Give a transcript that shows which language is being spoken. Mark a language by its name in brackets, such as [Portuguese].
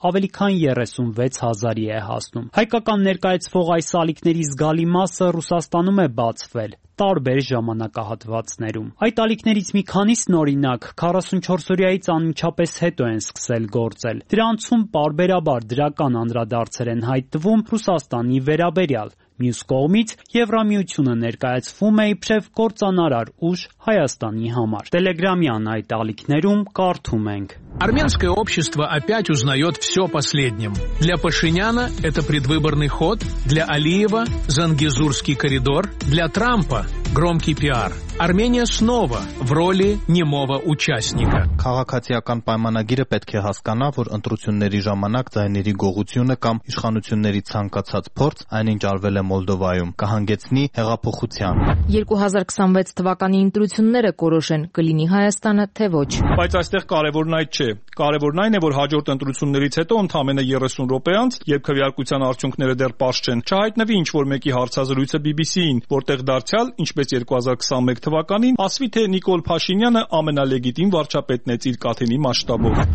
[Armenian] ավելի քան 36,000-ի է հասնում։ Հայկական ներկայացվող այս ալիքների զգալի մասը Ռուսաստանում է բացվել տարբեր ժամանակահատվածներում։ Այդ ալիքներից մի քանիսն օրինակ 44-օրյայից անմիջապես հետո են սկսել գործել։ Դրանցում պարբերաբար դրական անդրադարձեր են հայտնվում Ռուսաստանի վերաբերյալ, մյուս կողմից Եվրամիությունը ներկայացվում է իբրև կործանարար ուժ Հայաստանի համար։ Telegram-յան այդ ալիքներում կարդում ենք. [Russian] Армянское общество опять узнает все последним. Для Пашиняна это предвыборный ход, для Алиева – Зангезурский коридор, для Трампа – Громкий пиар. Армения снова в роли немого участника. [Armenian] Քաղաքացիական պայմանագիրը պետք է հասկանա, որ ընտրությունների ժամանակ ձայների գողությունը կամ իշխանությունների ցանկացած փորձ, այնինչ արվել է Մոլդովայում, կհանգեցնի հեղափոխության. 2026 թվականի ընտրությունները կորոշեն, կլինի Հայաստանը թե ոչ. Բայց այստեղ կարևորն այդ չէ. Կարևորն այն է, որ հաջորդ ընտրություններից հետո ընդամենը 30 րոպե անց, երբ քվեարկության արդյունքները դեռ պարզ չեն, չհայտնվի ինչ որ մեկի հարցազրույցը BBC-ին, որտեղ դարձյալ, ինչպես 2021 թվականին, ասվի թե Նիկոլ Փաշինյանը ամենալեգիտիմ վարչապետն է իր կաթենի մասշտաբով։